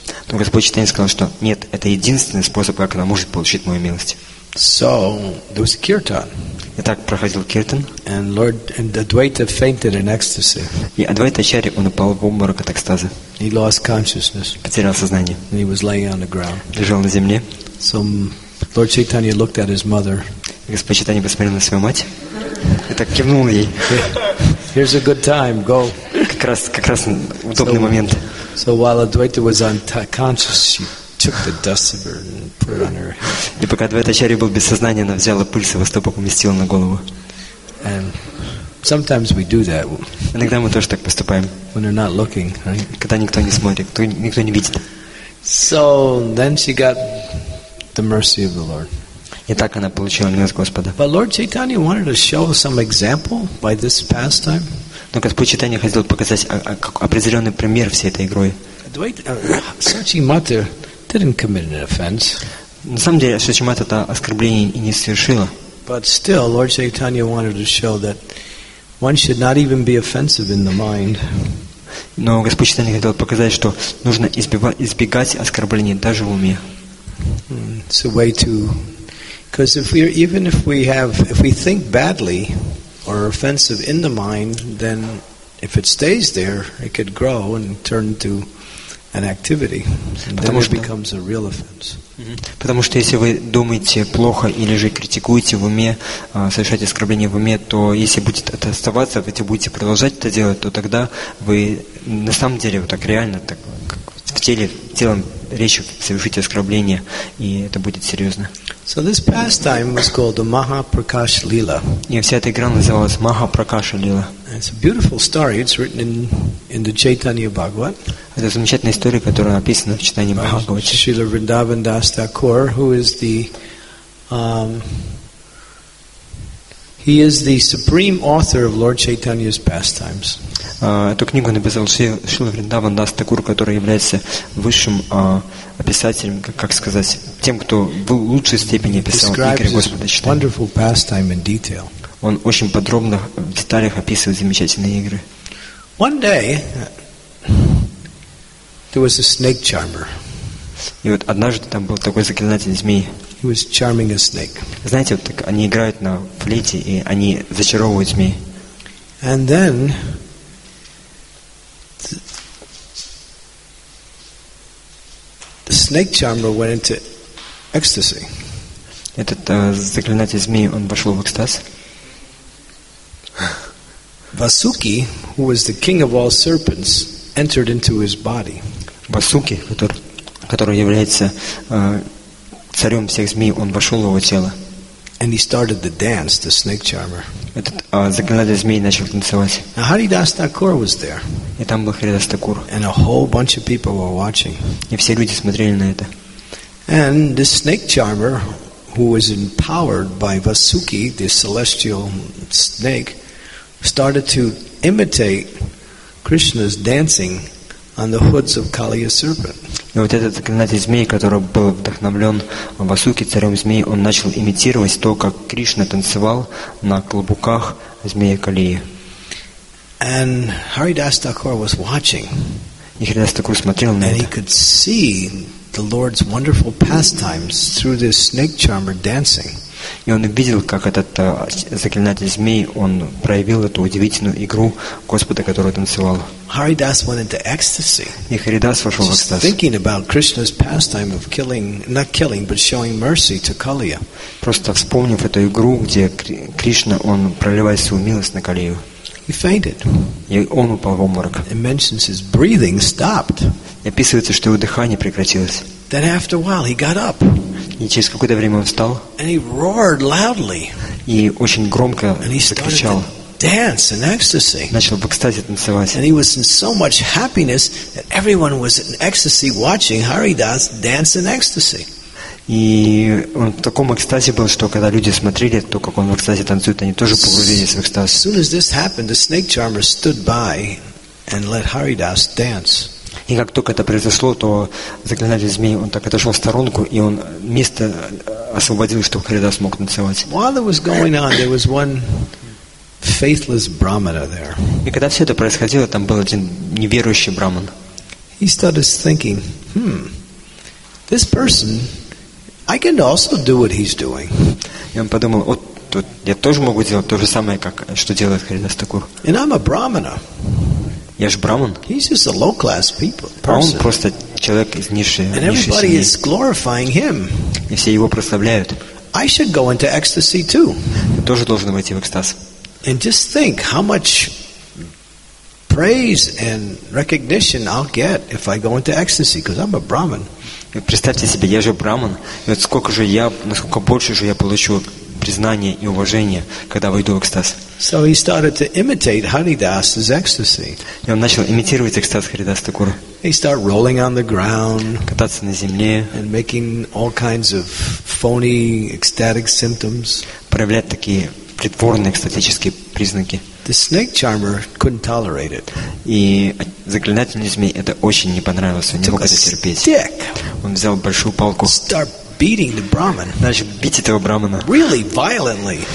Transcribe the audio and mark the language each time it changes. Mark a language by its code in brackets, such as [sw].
[ru] Но Господь Чайтанья сказал, что нет, это единственный способ, как она может получить мою милость. [en] So there was a kirtan. [ru] Итак, проходил киртан. [en] And Lord and the Advaita fainted in ecstasy. [ru] И Адвайтачарья он упал в обморок от экстаза. [en] He lost consciousness. [ru] Потерял сознание. [en] And he was laying on the ground. [ru] Лежал на земле. [en] So Lord Chaitanya looked at his mother. [ru] Господь Чайтанья посмотрел на свою мать. И так кивнул ей. [en] Here's a good time. Go. [ru] Как раз удобный момент. [en] So while Advaita was unconscious, she took the dust of her and put it on her head. [ru] И пока Дваитачарья был без сознания, она взяла пыль со его стоп и поместила на голову. [en] And sometimes we do that. [ru] Иногда мы тоже так поступаем. [en] When they're not looking, right? [ru] Когда никто не смотрит, никто не видит. [en] So then she got the mercy of the Lord. [ru] И так она получила милость Господа. [en] But Lord Chaitanya wanted to show some example by this pastime. [ru] Но Господь Чайтанья хотел показать определенный пример всей этой игрой. [en] Сачи Мата didn't commit an offense. [ru] На самом деле, Сачи Мата это оскорбление и не совершила. [en] But still, Lord Chaitanya wanted to show that one should not even be offensive in the mind. [ru] Но Господь Чайтанья хотел показать, что нужно избегать оскорблений даже в уме. [en] It's a way to, because if we think badly or are offensive in the mind, then if it stays there, it could grow and turn to an activity, and then it becomes a real offense. [ru] Потому что если вы думаете плохо или же критикуете в уме, совершаете оскорбление в уме, то если будет это оставаться, если будете продолжать это делать, то тогда вы на самом деле вот так реально так в теле, телом речью совершите оскорбление, и это будет серьезно. [en] So this pastime was called the Mahaprakash Lila. [ru] И вся эта игра называлась Mahaprakash Lila. [en] It's a beautiful story. It's written in the Chaitanya Bhagavat. [ru] Это замечательная история, которая описана в Чайтанье Махабхагавате. [en] Шрила Вриндаван Дас Такур, who is the he is the supreme author of Lord Chaitanya's pastimes. [ru] Эту книгу написал Шрила Вриндаван Дас Такур, который является высшим описателем, как сказать, тем, кто в лучшей степени описал игры Господа Чайтанья. [en] Wonderful pastime in detail. [ru] Он очень подробно в деталях описывает замечательные игры. [en] One day there was a snake charmer. [ru] И вот однажды там был такой заклинатель змей. [en] He was charming a snake. [ru] Знаете, вот так они играют на флейте, и они зачаровывают змей. [en] And then the snake charmer went into ecstasy. [ru] Этот заклинатель змей, он вошел в экстаз. [en] Vasuki, who was the king of all serpents, entered into his body. [ru] Васуки, который является царем всех змей, он вошел в его тело. [en] And he started the dance, the snake charmer. [ru] Этот заклинатель змей начал танцевать. [en] Now Haridas Thakur was there. [ru] И там был Haridas Thakur. [en] And a whole bunch of people were watching. [ru] И все люди смотрели на это. [en] And the snake charmer, who was empowered by Vasuki, the celestial snake, started to imitate Krishna's dancing on the hoods of Kaliya's serpent. [ru] И вот этот знаменитый змей, который был вдохновлен Васуки, царем змей, он начал имитировать то, как Кришна танцевал на клобуках змея Калии. [en] And Haridas Thakur was watching. [ru] И Haridas Thakur смотрел на это. [en] And he could see the Lord's wonderful pastimes through this snake charmer dancing. [ru] И он увидел, как этот заклинатель змей, он проявил эту удивительную игру Господа, который танцевал. [en] Haridas went into ecstasy. [ru] И Haridas вошел в экстаз. [en] Thinking about Krishna's pastime of killing, not killing, but showing mercy to Kaliya. [ru] Просто вспомнив эту игру, где Кришна, он проливает свою милость на Калию. [en] He fainted. [ru] И он упал в обморок. [en] It mentions his breathing stopped. [ru] И описывается, что его дыхание прекратилось. [en] Then after a while he got up. [ru] И через какое-то время он встал. [en] And he roared loudly. [ru] И очень громко закричал. [en] Dance in ecstasy. [ru] Начал в экстазе танцевать. [en] And he was in so much happiness that everyone was in ecstasy watching Haridas dance in ecstasy. [ru] И он в таком экстазе был, что когда люди смотрели, то как он в экстазе танцует, они тоже погрузились в экстаз. [en] As soon as this happened, the snake charmer stood by and let Haridas dance. [ru] И как только это произошло, то заклинатель змей, он так отошел в сторонку, и он место освободил, чтобы Харидас мог танцевать. И когда все это происходило, там был один неверующий браман. [en] He started thinking, this person, I can also do what he's doing. [ru] И он подумал, вот тут я тоже могу делать то же самое, как что делает Харидас Такур. [en] And I'm a brahmana. [ru] Я же браман. [en] He's just a low class people. [ru] Он просто человек из низшей семьи. [en] And everybody is glorifying him. [ru] И все его прославляют. [en] I should go into ecstasy too. [ru] Тоже должен войти в экстаз. [en] And just think how much praise and recognition I'll get if I go into ecstasy, because I'm a brahman. [ru] Представьте себе, я же браман. И вот сколько же я, насколько больше же я получу признания и уважения, когда войду в экстаз. [en] So he started to imitate Haridas's ecstasy. [ru] И он начал имитировать экстаз Харидас Такура. [en] He started rolling on the ground. [ru] Кататься на земле. [en] And making all kinds of phony ecstatic symptoms. [ru] Проявлять такие притворные экстатические признаки. [en] The snake charmer couldn't tolerate it. [ru] И заклинательный змей это очень не понравилось, он не мог это терпеть. [en] Stick. [ru] Он взял большую палку. [en] Start beating the brahman. [ru] Начал бить этого брамана. [en] Really violently.